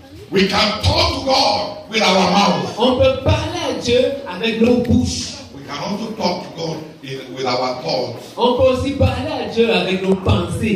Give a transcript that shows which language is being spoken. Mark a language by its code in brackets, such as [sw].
[en] We can talk to God with our mouth. [fr] On peut parler à Dieu avec nos bouches. [en] We can also talk to God with our thoughts. [fr] On peut aussi parler à Dieu avec nos pensées.